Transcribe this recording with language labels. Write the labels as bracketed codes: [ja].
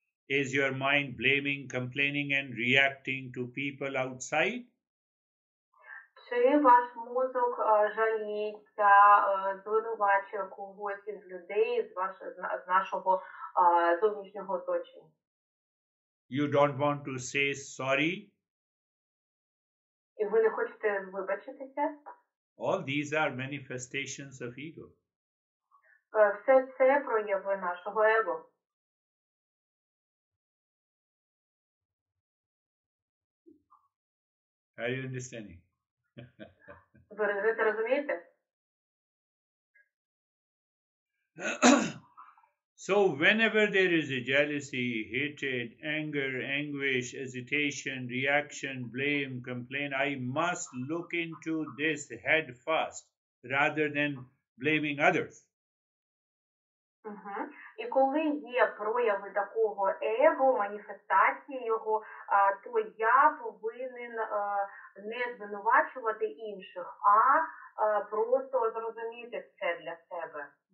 [en] Is your mind blaming, complaining and reacting to people outside? [uk] Чи ваш мозок жаліться, звинувачує когось із людей з нашого зовнішнього оточення? [en] You don't want to say sorry? [uk] І ви не хочете вибачитися? [en] All these are manifestations of ego. [uk] Все це прояви нашого его. [en] Are you understanding? [uk] Ви це розумієте? [en] So whenever there is a jealousy, hatred, anger, anguish, hesitation, reaction, blame, complaint, I must look into this head first, rather than blaming others. [uk] І коли є прояви такого его, маніфестації його, то я повинен не звинувачувати інших, а просто зрозуміти це для себе.